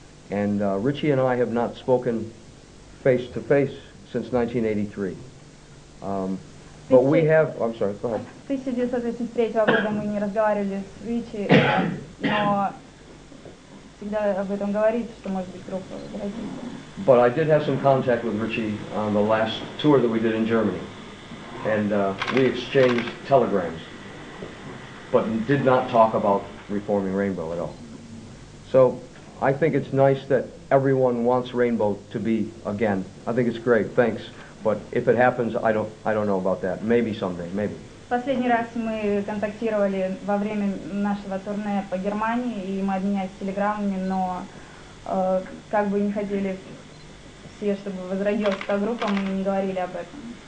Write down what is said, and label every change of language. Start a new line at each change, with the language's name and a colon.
English: And Richie and I have not spoken face to face since 1983. But we have, I'm sorry, go ahead.
Russian: 1983 года мы не разговаривали с Ричи, но всегда об этом говорит, что может быть группа.
English: But I did have some contact with Richie on the last tour that we did in Germany. And we exchanged telegrams, but did not talk about reforming Rainbow at all. So I think it's nice that everyone wants Rainbow to be again. I think it's great, thanks. But if it happens, I don't know about that. Maybe someday, maybe.
Russian: Последний раз мы контактировали во время нашего турне по Германии, и мы обменялись телеграммами, но как бы не хотели все, чтобы возродилась та группа, мы не говорили об этом.